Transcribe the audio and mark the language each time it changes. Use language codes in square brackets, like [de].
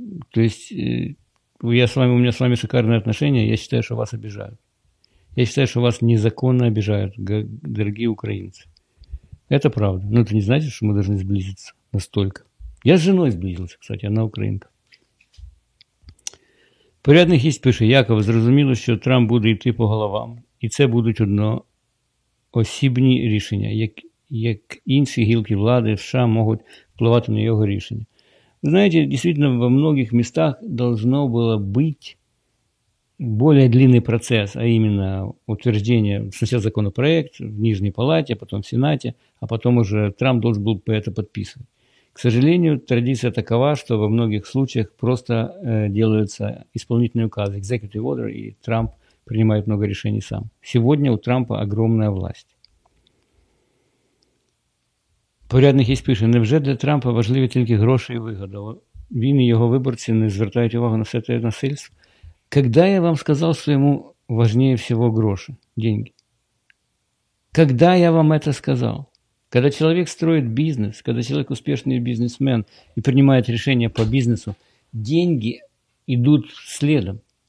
[ru] То есть у меня с вами шикарные отношения. Я считаю, что вас обижают. Я считаю, что вас незаконно обижают, дорогие украинцы. Это правда. Но это не значит, что мы должны сблизиться настолько. Я с женой сблизился, кстати, она украинка. [uk] Порядний гість пише: Яков, зрозуміло, що Трамп буде йти по головам, і це будуть одноосібні рішення, як інші гілки влади в США можуть впливати на його рішення. Знаєте, дійсно, в багатьох містах должно було бути більш длинний процес, а іменно утвердження, спочатку законопроект в Нижній палаті, потім в Сенаті, а потім уже Трамп должен був це підписувати. [ru] К сожалению, традиция такова, что во многих случаях просто делаются исполнительные указы, [en] executive order, [ru] и Трамп принимает много решений сам. Сегодня у Трампа огромная власть. [uk] Порядник есть пишет, невже для Трампа важливі тільки гроші і вигоди? Він і його виборці не звертають увагу на все це насильство. [ru] Когда я вам сказал, что ему важнее всего гроши, деньги? Когда я вам это сказал? Когда человек строит бизнес, когда человек успешный бизнесмен и принимает решения по бизнесу, деньги идут следом.